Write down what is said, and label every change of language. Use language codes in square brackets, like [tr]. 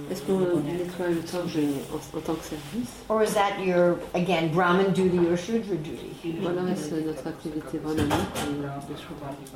[fr] Est-ce qu'on nettoie le temple en tant que service? [en] Or is that your again Brahmin duty or Shudra duty? [fr] Voilà, c'est notre activité brahmanique ou de Shudra.